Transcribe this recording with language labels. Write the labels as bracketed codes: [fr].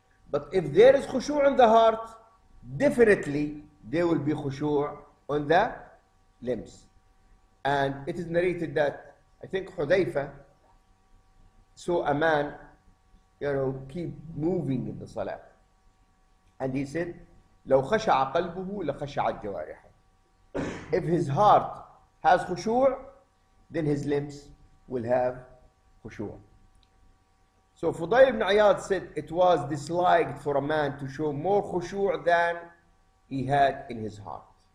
[en] But if there is khushu' in the heart, definitely there will be khushu' on the limbs. And it is narrated that I think Hudhayfa saw a man, you know, keep moving in the salah. And he said, [ar] لو خشع قلبه لخشع الجوارح. [en] If his heart has khushu', then his limbs will have khushu'. So Fudayl ibn Ayyad said it was disliked for a man to show more khushu' than he had in his heart.